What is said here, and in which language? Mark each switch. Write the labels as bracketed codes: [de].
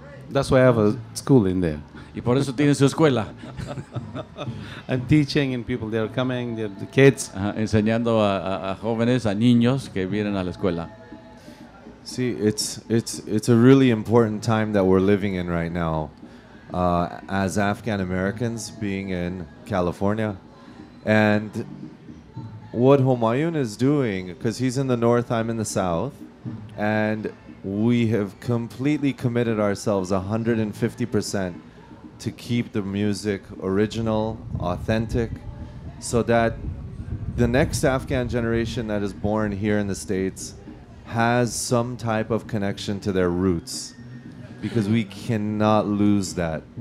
[en] That's why I have a school in there. [es] Y por eso tiene su escuela. [en] I'm teaching and people, they are coming, they're the kids. [es] Enseñando a jóvenes, a niños que vienen a la escuela. [en] See, it's a really important time that we're living in right now. As Afghan Americans being in California. And what Humayun is doing, because he's in the north, I'm in the south, and we have completely committed ourselves 150% to keep the music original, authentic, so that the next Afghan generation that is born here in the States has some type of connection to their roots, because we cannot lose that.